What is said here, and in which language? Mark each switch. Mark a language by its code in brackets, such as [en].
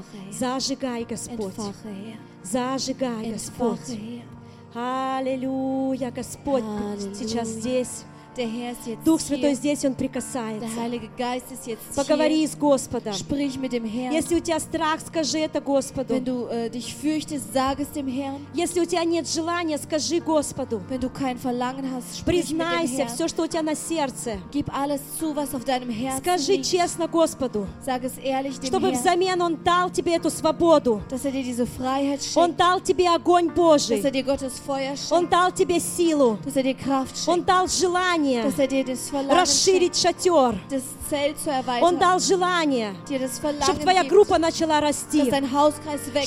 [ru] Зажигай, Господь. Зажигай, Господь. Аллилуйя, Господь Аллилуйя. Сейчас здесь. Дух Святой здесь, Он прикасается. Поговори с Господом. Если у тебя страх, скажи это Господу. [de] Wenn du, dich fürchtest, sag es dem Herrn. [ru] Если у тебя нет желания, скажи Господу. [de] Wenn du kein Verlangen hast, sprich [ru] признайся [de] mit dem [ru] все, что у тебя на сердце. [de] Gib alles zu, was auf deinem Herzen [ru] скажи [de] liegt. [ru] Честно Господу. [de] Sag es ehrlich dem [ru] чтобы взамен Он дал тебе эту свободу. [de] Dass er dir diese Freiheit schenkt. [ru] Он дал тебе огонь Божий. [de] Dass er dir Gottes Feuer schenkt. [ru] Он дал тебе силу. [de] Dass er dir Kraft schenkt. [ru] Он дал желание [de] dass er dir das Verlangen [ru] расширить [de] schenkt. [ru] Шатер. [de] Das Zelt zu erweitern. [ru] Он дал желание, [de] dir das Verlangen [ru] чтобы твоя группа [de] gibt, [ru] начала расти. [de] Dass dein Hauskreis wächst.